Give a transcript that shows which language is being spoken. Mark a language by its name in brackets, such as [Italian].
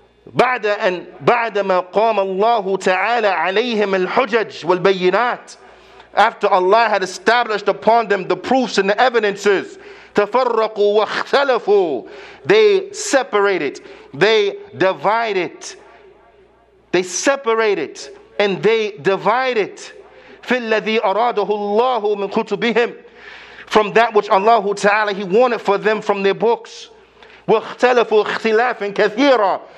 [Arabic] بعدما قام الله تعالى عليهم الحجج والبينات. [English] After Allah had established upon them the proofs and the evidences. [Arabic] تفرقوا واختلفوا. [English] They separated. They divided. They separated. And they divided. [Arabic] في الذي أراده الله من كتبهم. [English] From that which Allah تعالى He wanted for them from their books. [Arabic] واختلفوا اختلافا كثيرا.